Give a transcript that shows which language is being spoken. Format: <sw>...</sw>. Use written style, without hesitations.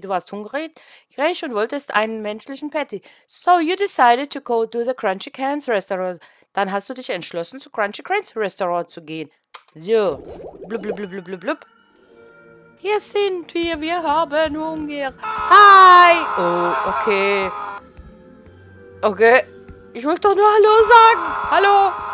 <de>Du warst hungrig und wolltest einen menschlichen Patty.</de> <en>So you decided to go to the Crunchy Cans Restaurant.</en> <de>Dann hast du dich entschlossen, zu Crunchy Cans Restaurant zu gehen. So. Blub, blub, blub, blub, blub. Hier sind wir. Wir haben Hunger. Hi. Oh, okay. Okay. Ich wollte doch nur Hallo sagen. Hallo.</de>